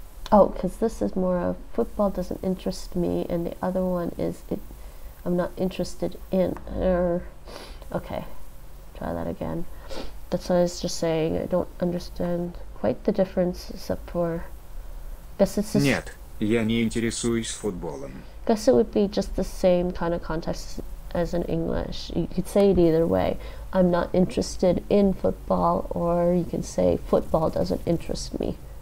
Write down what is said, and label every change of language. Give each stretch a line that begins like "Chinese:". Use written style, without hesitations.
English: Oh, because this is more of football doesn't interest me, and the other one is it. I'm not interested in. Okay, try that again. That's what I was just saying. I don't understand quite the difference, except for. Guess it's.
Russian: Нет, я не интересуюсь футболом.
English: Guess it would be just the same kind of context as in English. You could say it either way. I'm not interested in football, or you can say football doesn't interest me.